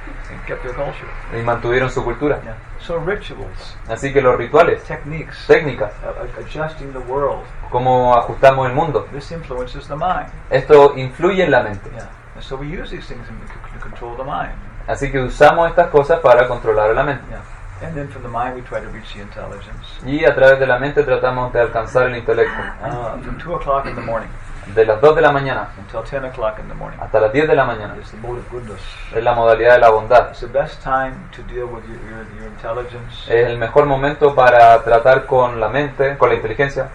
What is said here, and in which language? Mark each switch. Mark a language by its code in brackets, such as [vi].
[en] And kept their culture. [es] Y mantuvieron su cultura. [en] Yeah. So rituals, [es] así que los rituales, [en] techniques, [es] técnicas, [en] adjusting the world, [es] cómo ajustamos el mundo, [en] this influences the mind. [es] Esto influye en la mente. [en] Yeah. So we use these things to control the mind. [es] Así que usamos estas cosas para controlar la mente. [en] Yeah. And then from the mind we try to reach the intelligence. [es] Y a través de la mente tratamos de alcanzar el intelecto. [en] From 2 o'clock in the morning. [es] De las 2 de la mañana [en] until 10 o'clock in the morning, [es] hasta las 10 de la mañana, [en] it's the mode of goodness. [es] Es la modalidad de la bondad. [en] It's the best time to deal with your intelligence. [es] Es el mejor momento para tratar con la mente, con la inteligencia.